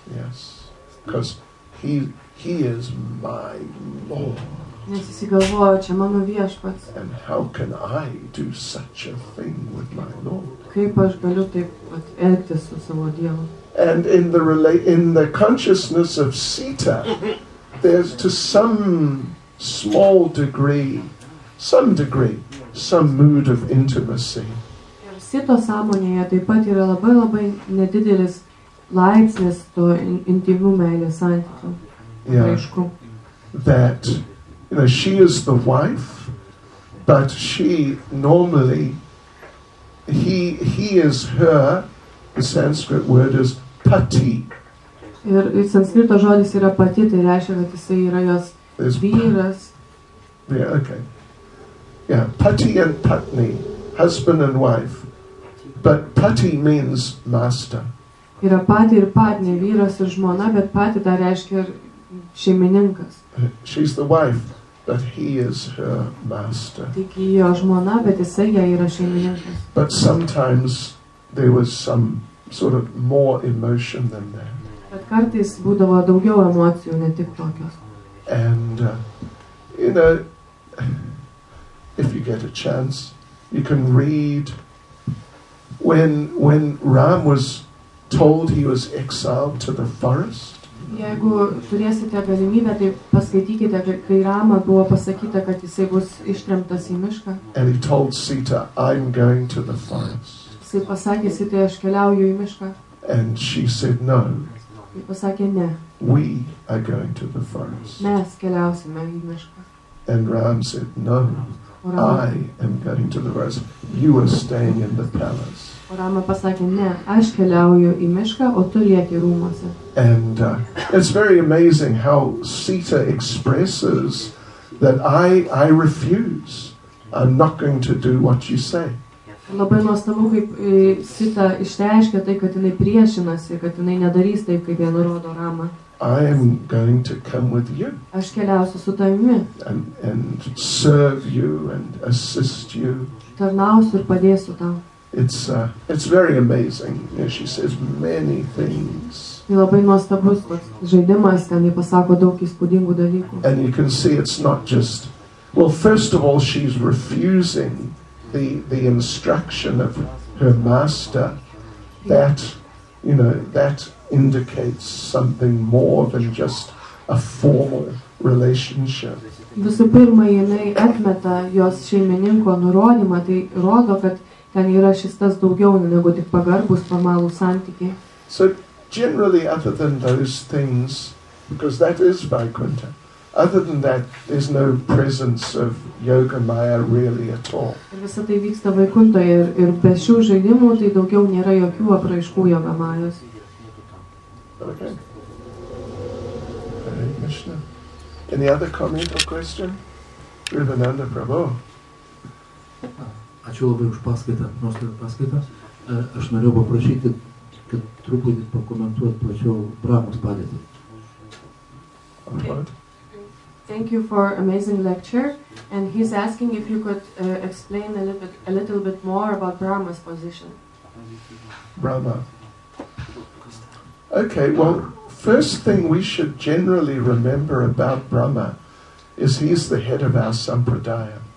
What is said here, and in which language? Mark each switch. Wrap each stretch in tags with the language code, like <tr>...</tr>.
<en>Yes, because he is my Lord.</en> <lt>Nes įsigalvojo, čia mano Viešpats.</lt> <en>And how can I do such a thing with my Lord?</en> <lt>Kaip aš galiu taip elgtis su savo Dievu?</lt> <en>And in the consciousness of Sita, there's to some small degree, some mood of intimacy.</en> <lt>Ir Sito sąmonėje taip pat yra labai labai nedidelis laipsnis to intymių meilės santykių.</lt> <en>Yeah. That, you know, she is the wife, but she normally, he is her, the Sanskrit word is pati.</en> <lt>Ir sanskrito žodis yra pati, tai reiškia, kad jisai yra jos vyras.</lt> <en>Yeah, okay. Yeah, pati and patni, husband and wife. But pati means master.</en> <lt>Yra pati ir patni, vyras ir žmona, bet pati dar reiškia ir šeimininkas.</lt> <en>She's the wife, but he is her master.</en> <lt>Tik jo žmona, bet jisai jai yra šeimininkas.</lt> <en>But sometimes there was some sort of more emotion than that.</en> <lt>Bet kartais būdavo daugiau emocijų, ne tik tokios.</lt> <en>And, you know, if you get a chance, you can read when Ram was told he was exiled to the forest.</en> <lt>Jeigu turėsite galimybę, tai paskaitykite, kai Rama buvo pasakyta, kad jisai bus ištremtas į mišką.</lt> <en>And he told Sita, I'm going to the forest.</en> <lt>Jisai pasakė, Sitai, aš keliauju į mišką.</lt> <en>And she said no.</en> <lt>Ir pasakė, ne.</lt> <en>We are going to the forest.</en> <lt>Mes keliausime į mišką.</lt> <en>And Ram said, no, I am going to the forest. You are staying in the palace.</en> <lt>O Rama pasakė, ne, aš keliauju į mišką, o tu lieki rūmose.</lt> <en>And it's very amazing how Sita expresses that I refuse. I'm not going to do what you say.</en> <lt>Labai nuostabu, kaip Sita išreiškia tai, kad jinai priešinasi, kad jinai nedarys taip, kaip jie nurodo Ramą.</lt> <en>I am going to come with you.</en> <lt>Aš keliausiu su tavimi.</lt> <en>And serve you and assist you.</en> <lt>Tarnausiu ir padėsiu tau.</lt> <en>It's very amazing. Yeah, she says many things.</en> <lt>Labai nuostabus žaidimas, ten ji pasako daug įspūdingų dalykų.</lt> <en>And you can see it's not just, well, first of all, she's refusing the instruction of her master. That, you know, that indicates something more than just a formal relationship.</en> <lt>Visų pirma, jinai atmeta jos šeimininko nurodymą, tai rodo, kad ten yra šis tas daugiau negu tik pagarbus formalų santykiai.</lt> <en>So generally, other than those things, because that is Vaikuntha, other than that, there's no presence of Yogamaya really at all.</en> <lt>Visa tai vyksta Vaikuntoje ir be šių žaidimų, tai daugiau nėra jokių apraiškų Yogamajos.</lt> <en>Okay. Hare Krishna. Any other comment or question? Vivananda Prabhu.</en> <lt>Ačiū labai už paskaitą, nuostabią paskaitą. Aš norėjau paprašyti, kad truputį pakomentuot plačiau Brahmos padėtį.</lt> <en>Thank you for amazing lecture, and he's asking if you could explain a little bit more about Brahma's position. Brahma. Okay, well, first thing we should generally remember about Brahma is he's the head of our sampradaya.</en>